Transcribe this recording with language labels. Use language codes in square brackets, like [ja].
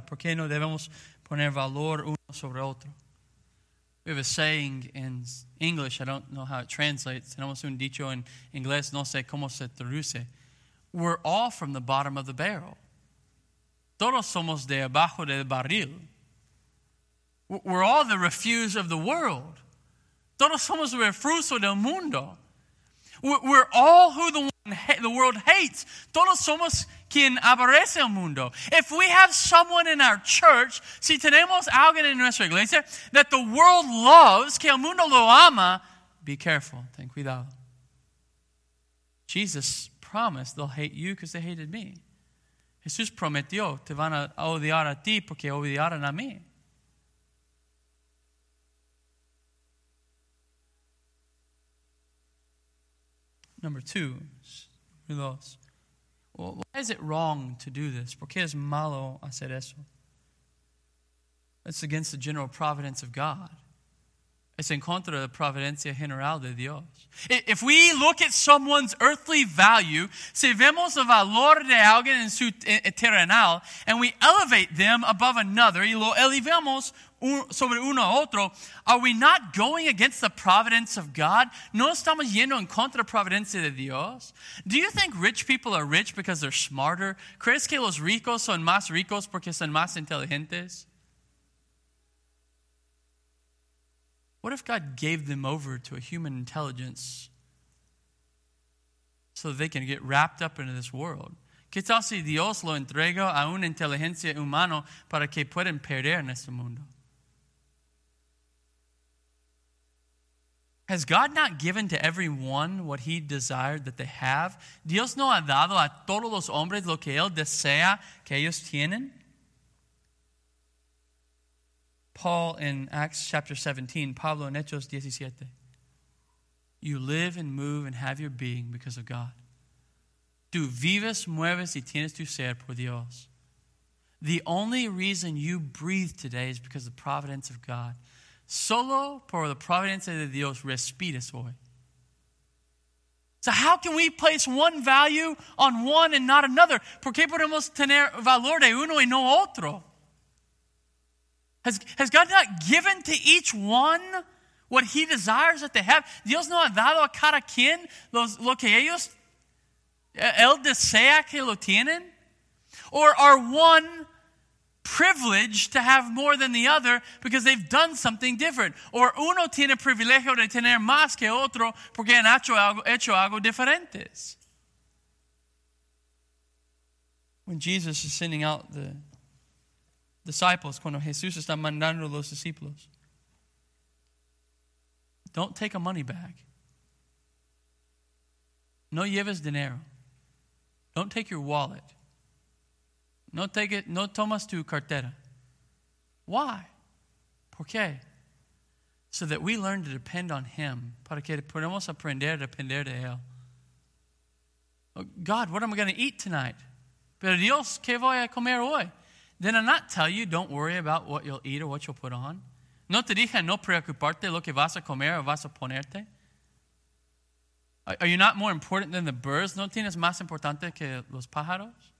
[es] ¿Por qué no debemos poner valor uno sobre otro? [en] We have a saying in English, I don't know how it translates. [es] Tenemos un dicho en inglés, no sé cómo se traduce. [en] We're all from the bottom of the barrel. [es] Todos somos de abajo del barril. [en] We're all the refuse of the world. [es] Todos somos el refuso del mundo. [en] We're all who the world hates. [es] Todos somos quien aborrece el mundo. [en] If we have someone in our church, [es] si tenemos alguien en nuestra iglesia [en] that the world loves, [es] que el mundo lo ama, [en] be careful, [es] ten cuidado. [en] Jesus promised they'll hate you because they hated me. [es] Jesús prometió, te van a odiar a ti porque odiaron a mí. [en] Number two, well, why is it wrong to do this? [es] ¿Por qué es malo hacer eso? [en] It's against the general providence of God. [es] Es en contra de la providencia general de Dios. [en] If we look at someone's earthly value, [es] si vemos el valor de alguien en su terrenal, [en] and we elevate them above another, [es] y lo elevamos sobre uno a otro, [en] are we not going against the providence of God? [es] ¿No estamos yendo en contra de la providencia de Dios? [en] Do you think rich people are rich because they're smarter? [es] ¿Crees que los ricos son más ricos porque son más inteligentes? [en] What if God gave them over to a human intelligence so they can get wrapped up into this world? [es] ¿Qué tal si Dios lo entrega a una inteligencia humana para que puedan perder en este mundo? [en] Has God not given to everyone what he desired that they have? [es] ¿Dios no ha dado a todos los hombres lo que él desea que ellos tienen? [en] Paul in Acts chapter 17, [es] Pablo en Hechos 17. [en] You live and move and have your being because of God. [es] Tú vives, mueves y tienes tu ser por Dios. [en] The only reason you breathe today is because of the providence of God. [es] Solo por la providencia de Dios respiras hoy. [en] So how can we place one value on one and not another? [es] ¿Por qué podemos tener valor de uno y no otro? [en] Has God not given to each one what he desires that they have? [es] ¿Dios no ha dado a cada quien lo que ellos, él desea que lo tienen? [en] Or are one privileged to have more than the other because they've done something different? [es] Or uno tiene privilegio de tener más que otro porque han hecho algo diferente? [en] When Jesus is sending out the disciples, [es] cuando Jesús está mandando los discípulos, [en] don't take a money bag. [es] No lleves dinero. [en] Don't take your wallet. No take it. [es] No tomas tu cartera. Why? ¿Por qué? [en] So that we learn to depend on him. [es] Para que podamos aprender a depender de él. [en] God, what am I going to eat tonight? [es] Pero Dios, ¿qué voy a comer hoy? [en] Did I not tell you don't worry about what you'll eat or what you'll put on? [es] ¿No te dije no preocuparte lo que vas a comer o vas a ponerte? [en] Are you not more important than the birds? [es] ¿No tienes más importante que los pájaros?